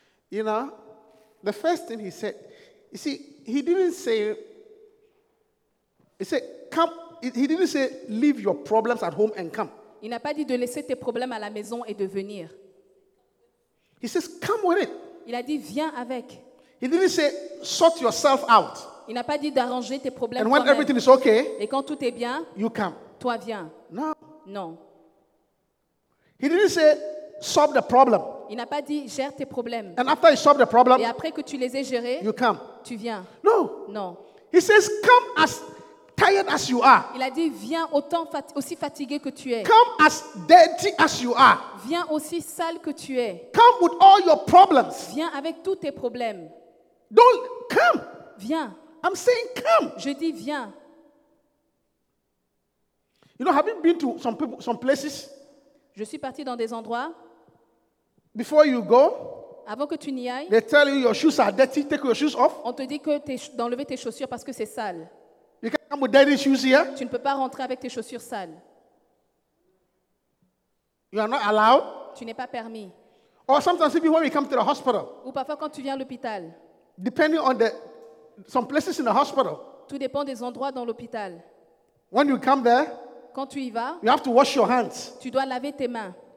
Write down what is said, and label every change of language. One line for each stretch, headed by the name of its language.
English: You know, the first thing he said, you see, he didn't say, he said, come. He didn't say, leave your problems at home and come.
French: Il n'a pas dit de laisser tes problèmes à la maison et de venir.
English: He says, come with it.
French: Il a dit, viens avec.
English: He didn't say, sort yourself out.
French: Il n'a pas dit d'arranger tes problèmes.
English: And when
French: toi-même.
English: Everything is okay,
French: et quand tout est bien,
English: you come.
French: Toi viens.
English: No.
French: Non.
English: He didn't say, solve the problem.
French: Il n'a pas dit, gère tes problèmes.
English: And after you solve the problem,
French: et après que tu les aies gérés,
English: you come.
French: Tu viens.
English: No.
French: Non.
English: He says, come as tired as you are.
French: Il a dit, viens autant aussi fatigué que tu es.
English: Come as dirty as you are.
French: Viens aussi sale que tu es.
English: Come with all your problems.
French: Viens avec tous tes problèmes.
English: Don't come.
French: Viens.
English: I'm saying come.
French: Je dis viens.
English: You know, having been to some people, some places.
French: Je suis parti dans des endroits.
English: Before you go.
French: Avant que tu n'y ailles.
English: They tell you your shoes are dirty. Take your shoes off.
French: On te dit que d'enlever tes chaussures parce que c'est sale.
English: You can't come with dirty shoes here.
French: Tu ne peux pas rentrer avec tes chaussures sales.
English: You are not allowed.
French: Tu n'es pas permis.
English: Or sometimes even when we come to the hospital.
French: Ou parfois quand tu viens à l'hôpital.
English: Depending on the some places in the hospital.
French: Tout dépend des endroits dans l'hôpital.
English: When you come there.
French: Quand tu y vas.
English: You have to wash your hands.
French: Tu dois laver tes mains.